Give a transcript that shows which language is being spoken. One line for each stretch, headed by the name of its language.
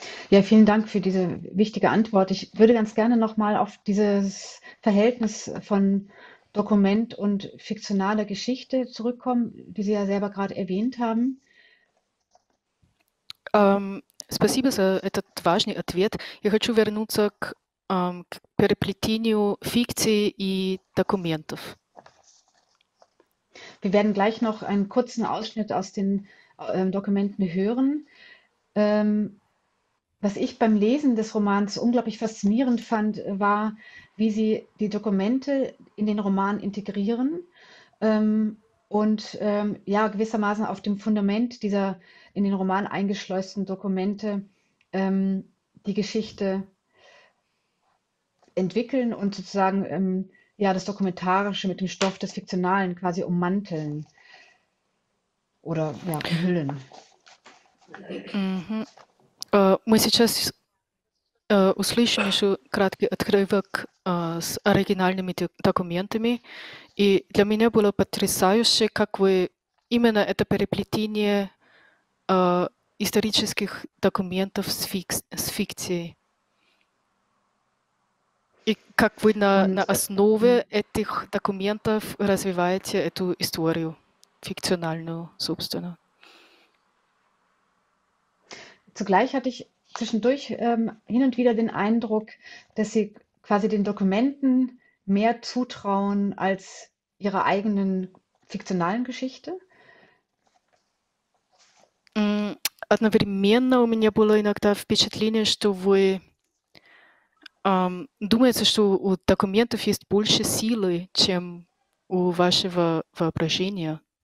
German: Ja, vielen Dank für diese wichtige Antwort. Ich würde ganz gerne nochmal auf dieses Verhältnis von Dokument und fiktionaler Geschichte zurückkommen, die Sie ja selber gerade erwähnt haben.
Russian: Спасибо за этот важный ответ. Я хочу вернуться к переплетению фикции и документов.
German: Wir werden gleich noch einen kurzen Ausschnitt aus den Dokumenten hören. Was ich beim Lesen des Romans unglaublich faszinierend fand, war, wie Sie die Dokumente in den Roman integrieren und gewissermaßen auf dem Fundament dieser in den Roman eingeschleusten Dokumente die Geschichte entwickeln und sozusagen das Dokumentarische mit dem Stoff des Fiktionalen quasi ummanteln oder umhüllen. Mhm.
Russian: Мы сейчас услышим еще краткий отрывок с оригинальными документами. И для меня было потрясающе, как вы именно это переплетение исторических документов с фикцией. И как вы на основе этих документов развиваете эту историю фикциональную, собственно?
German: Zugleich hatte ich zwischendurch hin und wieder den Eindruck, dass sie quasi den Dokumenten mehr zutrauen als ihrer eigenen fiktionalen Geschichte.
Russian: Одновременно у меня было иногда впечатление, что вы думаете, что у документов есть больше силы, чем у вашего воображения.